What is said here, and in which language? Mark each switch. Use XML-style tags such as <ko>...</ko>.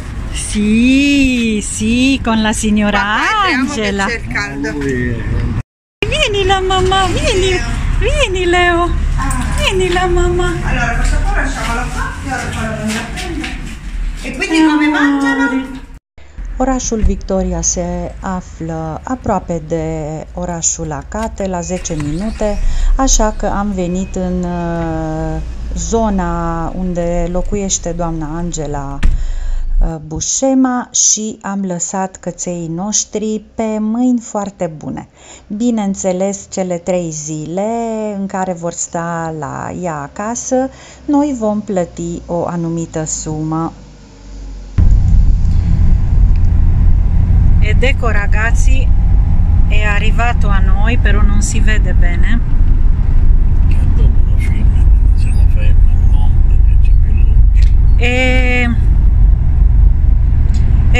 <it>Sì, sì, con la signora Angela. Vieni la mamma, vieni. Vieni Leo. Vieni la mamma. Allora, questa qua lasciamola qua, la prendo. E quindi come mangiano?</it> <ro>Orașul Victoria se află aproape de orașul Acate, la 10 minute, așa că am venit în zona unde locuiește doamna Angela Bușema și am lăsat căței noștri pe mâini foarte bune. Bineînțeles, cele 3 zile în care vor sta la ea acasă, noi vom plăti o anumită sumă.</ro> <it>Ed ecco ragazzi, è arrivato a noi, però non si vede bene. Che dopo la fine, se la fai in un mondo, che c'è più luce.</it>